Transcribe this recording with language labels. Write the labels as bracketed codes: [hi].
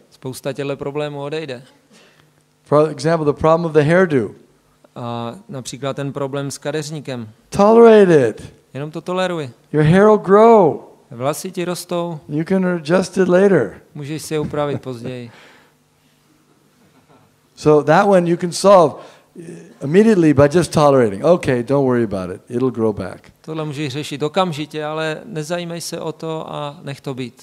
[cs] Spousta těchto problémů odejde. [en] For example, the problem of the hairdo. [cs] A například ten problém s kadeřníkem. [en] Tolerate it. [cs] Jenom to toleruj. [en] Your hair will grow. [cs] Vlasy ti rostou. [en] You can adjust it later. [cs] Můžeš si je upravit později. [en] So that one you can solve immediately by just tolerating. Okay, don't worry about it. It'll grow back. [cs] Tohle můžeš řešit okamžitě, ale nezajímej se o to a nech to být.